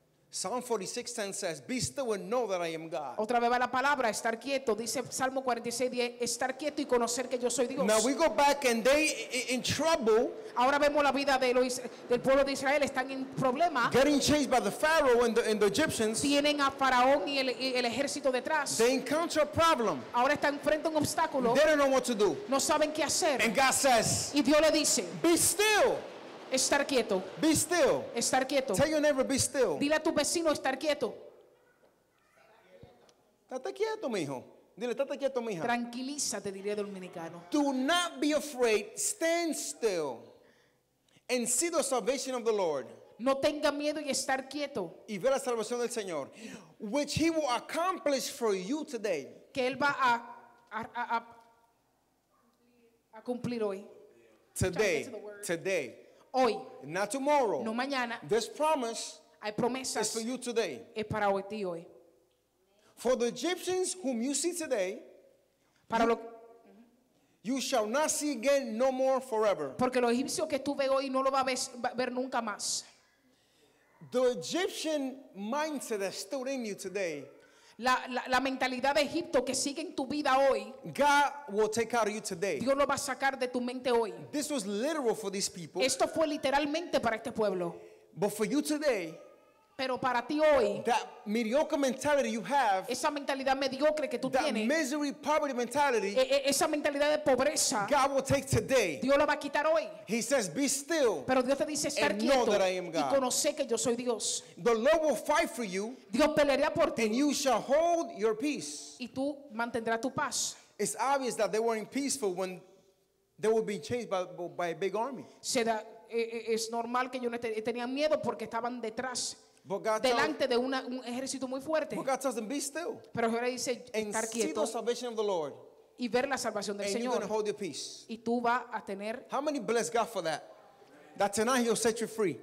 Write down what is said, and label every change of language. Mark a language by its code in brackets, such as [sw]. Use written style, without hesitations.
[en] Psalm 46:10 says, "Be still and know that I am God." [es] Otra vez va la palabra, estar quieto. Dice Salmo 46:10, estar quieto y conocer que yo soy Dios. [en] Now we go back and they in trouble. [es] Ahora vemos la vida de los del pueblo de Israel están en problema. [en] Getting chased by the Pharaoh and the Egyptians. [es] Tienen a Faraón y el ejército detrás. [en] They encounter a problem. [es] Ahora están frente a un obstáculo. [en] They don't know what to do. [es] No saben qué hacer. [en] And God says. [es] Y Dios le dice. [en] Be still. [es] Estar quieto. [en] Be still. [es] Estar quieto. [en] Tell your neighbor, be still. [es] Dile a tu vecino, estar quieto. Estate quieto, mijo. Dile, estate quieto, mija. Tranquilízate, diría dominicano. [en] Do not be afraid. Stand still. And see the salvation of the Lord. [es] No tenga miedo y estar quieto. Y ve la salvación del Señor. [en] Which he will accomplish for you today. [es] Que él va a cumplir hoy. [en] Today. Today. [es] Hoy, [en] not tomorrow. [es] No mañana. [en] This promise, [es] hay promesas, [en] is for you today. [es] Es para hoy, tío, hoy. [en] For the Egyptians whom you see today, [es] para lo, [en] you shall not see again, no more forever. [es] Porque los egipcios que tú ves hoy no lo va a ver nunca más. [en] The Egyptian mindset that's still in you today. [es] La mentalidad de Egipto que sigue en tu vida hoy. [en] God will take out of you today. [es] Dios lo va a sacar de tu mente hoy. [en] This was literal for these people. [es] Esto fue literalmente para este pueblo. [en] But for you today. [es] Pero para ti hoy. [en] That mediocre mentality you have. [es] Esa mentalidad mediocre que tú [en] that [es] tienes. [en] That misery poverty mentality. [es] Esa mentalidad de pobreza. [en] God will take today. [es] Dios lo va a quitar hoy. [en] He says, "Be still." [es] Pero Dios te dice estar [en] and [es] quieto. [en] Know that I am God. [es] Y conoce que yo soy Dios. [en] The Lord will fight for you. [es] Dios peleará por ti. [en] And you shall hold your peace. [es] Y tú mantendrás tu paz. [en] It's obvious that they weren't peaceful when they were being chased by a big army. [es] Se da, es normal que ellos tenían miedo porque estaban detrás. [en] But God [es] delante de un ejército muy fuerte. [en] But God tells them, be still. [es] Pero Jehová dice estar quieto. [en] See the salvation of the Lord. [es] Y ver la salvación del [en] and [es] Señor. [en] You're gonna hold your peace. [es] Y tú vas a tener. [en] How many bless God for that? That tonight He'll set you free.